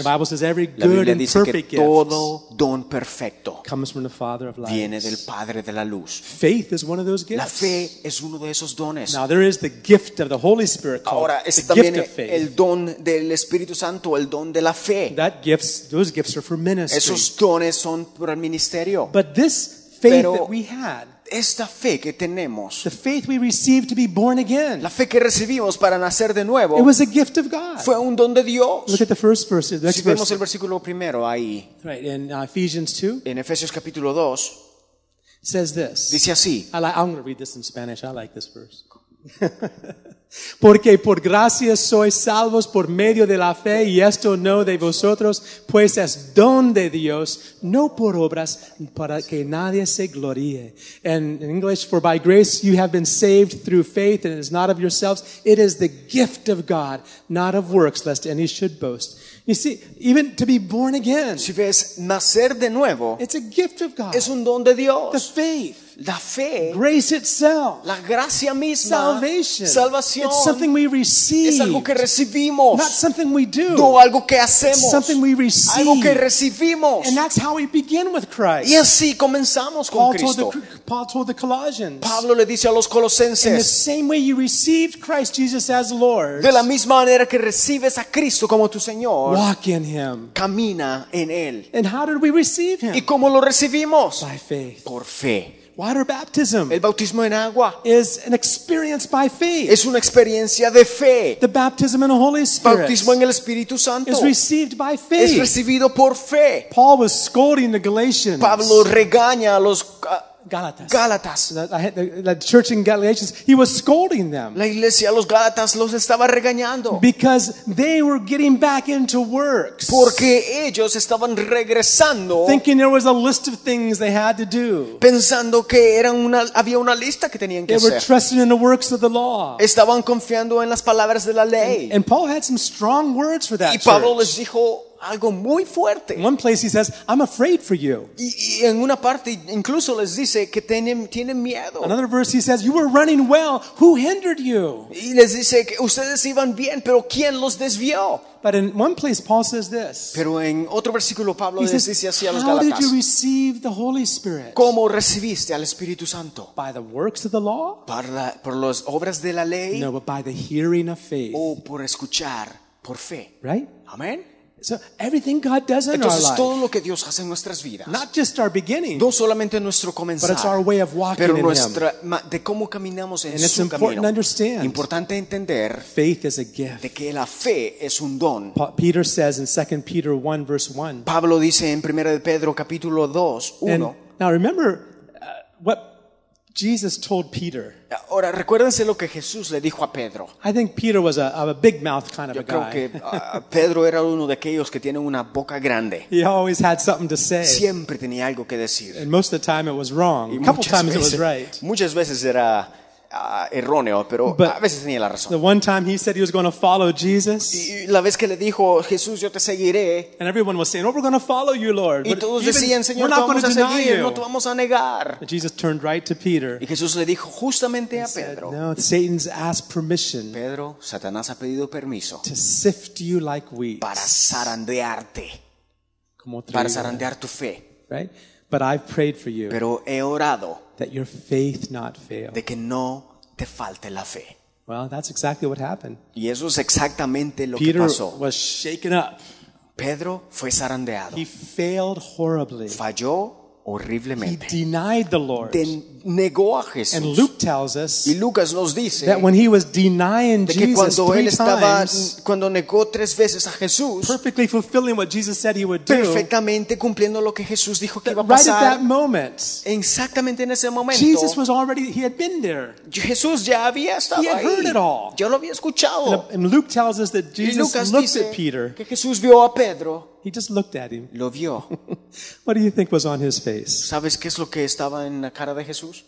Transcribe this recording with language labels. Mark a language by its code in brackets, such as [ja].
[en] The Bible says every good and perfect gift [es] todo don perfecto [en] comes from the Father of lights. [es] Viene del Padre de la luz. [en] Faith is one of those gifts. [es] La fe es uno de esos dones. [en] Now there is the gift of the Holy Spirit called [es] Ahora, [en] the gift of faith. [es] Ahora también el don del Espíritu Santo, el don de la fe. [en] That gifts, those gifts are for ministry. [es] Esos dones son para el ministerio. [en] But this faith [es] Pero, [en] that we had. [es] Esta fe que tenemos, [en] the faith we received to be born again, [es] la fe que recibimos para nacer de nuevo, [en] it was a gift of God. [es] Fue un don de Dios. [en] Look at the first verse. The next [es] si vemos [en] verse. [es] El versículo primero ahí, [en] right in Ephesians 2, [es] en Efesios capítulo 2, [en] says this. [es] Dice así. [en] I'm going to read this in Spanish. I like this verse. [es] Porque por gracia sois salvos por medio de la fe, y esto no de vosotros, pues es don de Dios, no por obras, para que nadie se gloríe. [en] And in English, for by grace you have been saved through faith, and it is not of yourselves, it is the gift of God, not of works, lest any should boast. You see, even to be born again, [es] si ves, nacer de nuevo, [en] it's a gift of God. [es] Es un don de Dios. [en] The faith. [es] La fe, [en] grace itself, [es] la gracia misma, [en] salvation, [es] salvación, [en] it's something we receive, [es] es algo que recibimos, [en] not something we do, [es] no algo que hacemos, [en] it's something we receive, [es] algo que recibimos, [en] and that's how we begin with Christ. [es] Y así comenzamos con Cristo. [en] Paul told the Colossians, [es] Pablo le dice a los Colosenses, [en] in the same way you received Christ Jesus as Lord, [es] de la misma manera que recibes a Cristo como tu Señor, [en] walk in Him, [es] camina en él. [en] And how did we receive Him? [es] ¿Y cómo lo recibimos? [en] By faith. [es] Por fe. [en] Water baptism. [es] El bautismo en agua. [en] Is an experience by faith. [es] Es una experiencia de fe. [en] The baptism in the Holy Spirit. [es] Bautismo en el Espíritu Santo. [en] Is received by faith. [es] Es recibido por fe. [en] Paul was scolding the Galatians. [es] Pablo regaña a los Gálatas. [en] The church in Galatians, he was scolding them. [es] La iglesia, los Gálatas, los estaba regañando. [en] Because they were getting back into works. [es] Porque ellos estaban regresando. [en] Thinking there was a list of things they had to do. [es] Pensando que eran una, había una lista que tenían que hacer. [en] They were trusting in the works of the law. [es] Estaban confiando en las palabras de la ley. [en] And Paul had some strong words for that [es] church. Y Pablo [en] church. [es] Les dijo algo muy fuerte. [en] In one place he says, I'm afraid for you. [es] Y en una parte incluso les dice que tienen miedo. [en] Another verse he says, you were running well, who hindered you? [es] Y les dice que ustedes iban bien, pero ¿quién los desvió? [en] But in one place Paul says this. [es] Pero en otro versículo Pablo [en] he [es] les [en] says, [es] dice así a los [en] Galatas. How did you receive the Holy Spirit? [es] ¿Cómo recibiste al Espíritu Santo? [en] By the works of the law? [es] Por las obras de la ley? [en] No, but by the hearing of faith. [es] O por escuchar por fe. [en] Right? Amen. So everything God does in [es] Entonces, [en] our life, [es] todo lo que Dios hace en nuestras vidas, [en] not just our beginning, [es] no solamente nuestro comenzar, [en] but it's our way of walking [es] pero [en] in [es] nuestra, [en] Him. [es] De cómo caminamos en [en] and [es] su [en] it's important [es] camino. [en] To understand. [es] Importante entender [en] faith is a gift. [es] De que la fe es un don. [en] Peter says in 2 Peter 1 verse 1. [es] Pablo dice en 1 de Pedro capítulo 2, 1. [en] And now remember what Jesus told Peter. [es] Ahora recuérdense lo que Jesús le dijo a Pedro. [en] I think Peter was a big mouth kind of a guy. [es] Yo creo que Pedro era uno de aquellos que tienen una boca grande. [en] He always had something to say. [es] Siempre tenía algo que decir. [en] And most of the time it was wrong. A couple times it was right. [es] Muchas veces era erróneo, pero [en] but [es] a veces tenía la razón. [en] The one time he said he was going to follow Jesus. [es] Y la vez que le dijo, Jesús, yo te seguiré. [en] And everyone was saying, oh, we're going to follow you, Lord. [es] Y todos decían, Señor, [en] we're not [es] te vamos [en] going to [es] a [en] deny [es] seguir, [en] you. [es] No te vamos a negar. [en] And Jesus turned right to Peter. [es] Y Jesús le dijo justamente [en] and [es] a Pedro. [en] Said, no, Satan's asked permission. [es] Pedro, Satanás ha pedido permiso. [en] To sift you like wheat. [es] Para zarandearte. Como trigo. Para zarandear tu fe. [en] Right? But I've prayed for you. [es] Pero he orado. [en] That your faith not fail. [es] De que no te falte la fe. [en] Well, that's exactly what happened. [es] Y eso es exactamente lo [en] Peter [es] que pasó. [en] Peter was shaken up. [es] Pedro fue zarandeado. [en] He failed horribly. [es] Falló horriblemente. [en] He denied the Lord. [es] Negó a Jesús. [en] And Luke tells us [es] y Lucas nos dice [en] that when he was denying [es] de que cuando [en] Jesus [es] él [en] three [es] estaba, [en] times, [es] cuando negó tres veces a Jesús, [en] perfectly fulfilling what Jesus said he would do, [es] perfectamente cumpliendo lo que Jesús dijo que iba a pasar, [en] right at that moment, [es] exactamente en ese momento, [en] Jesus was already, he had been there. [es] Jesús ya había estado [en] he had [es] ahí. [en] Heard it all. [es] Yo lo había escuchado. [en] And Luke tells us that Jesus looked at Peter. [es] Que Jesús vio a Pedro. [en] He just looked at him. [es] Lo vio. [en] What do you think was on his face? [es] ¿Sabes qué es lo que estaba en la cara de Jesús?